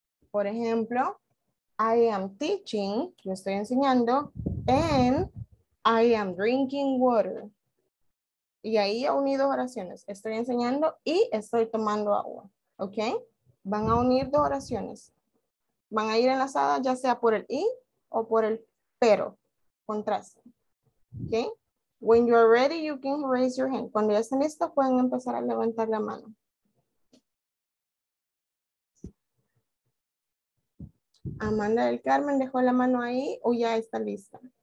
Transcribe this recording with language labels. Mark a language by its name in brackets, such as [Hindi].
[Spanish] Por ejemplo, [English] I am teaching, [Spanish] yo estoy enseñando, [English] and I am drinking water. [Spanish] Y ahí ha unido oraciones. Estoy enseñando y estoy tomando agua. ¿Ok? Van a unir dos oraciones. Van a ir enlazadas ya sea por el y o por el pero. Contraste. ¿Ok? [English] When you are ready, you can raise your hand. [Spanish] Cuando ya estén listos, pueden empezar a levantar la mano. Amanda del Carmen dejó la mano ahí o ya está lista.